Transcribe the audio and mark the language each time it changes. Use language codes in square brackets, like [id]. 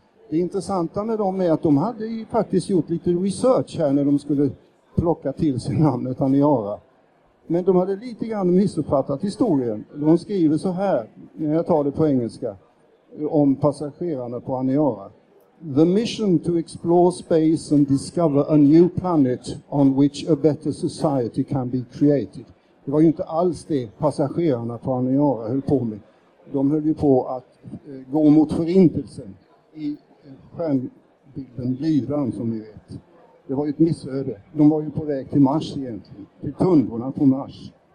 [sv] Det intressanta med dem är att de hade ju faktiskt gjort lite research här när de skulle plocka till sig namnet Aniara. Men de hade lite grann missuppfattat historien. De skriver så här, när jag tar det på engelska, om passagerarna på Aniara. [en] The mission to explore space and discover a new planet on which a better society can be created. [sv] Det var ju inte alls det passagerarna på Aniara höll på med. De höll ju på att gå mot förintelsen i stjärnbilden Lyran, som ni vet. Det var ju ett missöde. De var ju på väg till Mars egentligen. Till tundorna på Mars.